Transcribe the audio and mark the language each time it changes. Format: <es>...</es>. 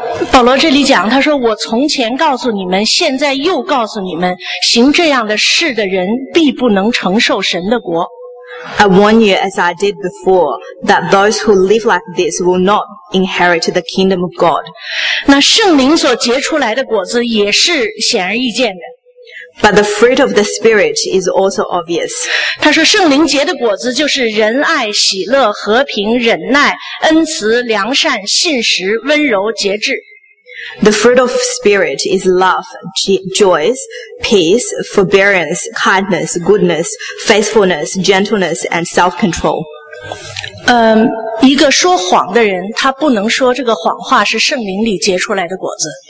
<zh>保罗这里讲他说我从前告诉你们现在又告诉你们行这样的事的人必不能承受神的国</zh> <en>I warn you as I did before that those who live like this will not inherit the kingdom of God</en> <zh>那圣灵所结出来的果子也是显而易见的</zh> <en>But the fruit of the spirit is also obvious</en> <zh>他说圣灵结的果子就是仁爱喜乐和平忍耐恩慈良善信实温柔节制</zh> <en>The fruit of spirit is love, joy, peace, forbearance, kindness, goodness, faithfulness, gentleness, and self-control.</en> <zh>一个说谎的人，他不能说这个谎话是圣灵里结出来的果子。</zh>